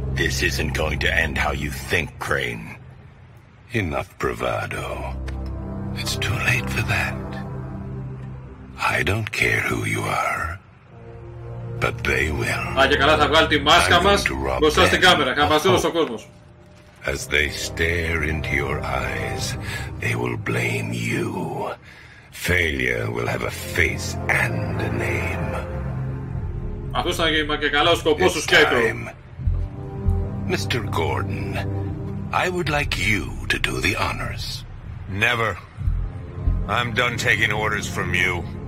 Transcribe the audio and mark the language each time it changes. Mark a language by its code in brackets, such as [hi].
[en] This isn't going to end how you think, Crane. Enough bravado. It's too late for that. I don't care who you are, but they will. [el] Α, και καλά, θα βγάλει τη μάσκα μας μπροστά στην κάμερα, θα μας δώσει ο κόσμος. [en] As they stare into your eyes, they will blame you. Failure will have a face and a name. [el] Αυτός ήταν και καλά ο σκοπός του Σκέτρου. [en] Mr. Gordon, I would like you to do the honors. Never. I'm done taking orders from you.